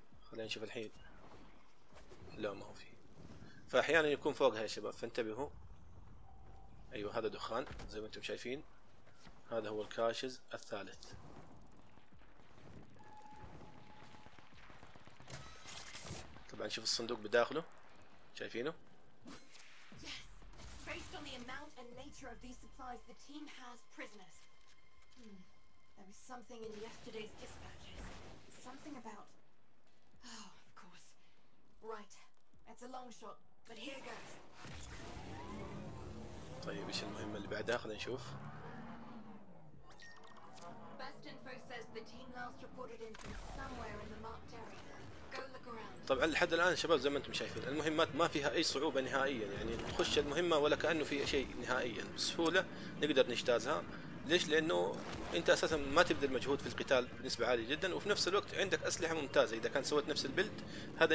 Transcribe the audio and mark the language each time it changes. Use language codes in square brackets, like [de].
[ar] خلينا نشوف الحين، لا ما هو فيه، فاحيانا يكون فوقها يا شباب فانتبهوا. ايوه هذا دخان زي ما انتم شايفين، هذا هو الكاشز الثالث. طبعا شوف الصندوق بداخله شايفينه. [en] Based on the amount and nature of these supplies, the team has prisoners. There was something in yesterday's dispatches. Something about... Oh, of course. Right. It's a long shot, but here goes. [ar] طيب إيش المهمة اللي بعدها؟ خلينا نشوف. [en] Best info says the team last reported in from somewhere in the marked area. [ar] طبعا لحد الان شباب زي ما انتم شايفين المهمات ما فيها اي صعوبة نهائيا، يعني تخش المهمة ولا كأنه في شيء نهائيا، بسهولة نقدر نجتازها. ليش؟ لانه انت اساسا ما تبذل مجهود في القتال بنسبة عالية جدا، وفي نفس الوقت عندك اسلحة ممتازة اذا كان سويت نفس البلد هذا.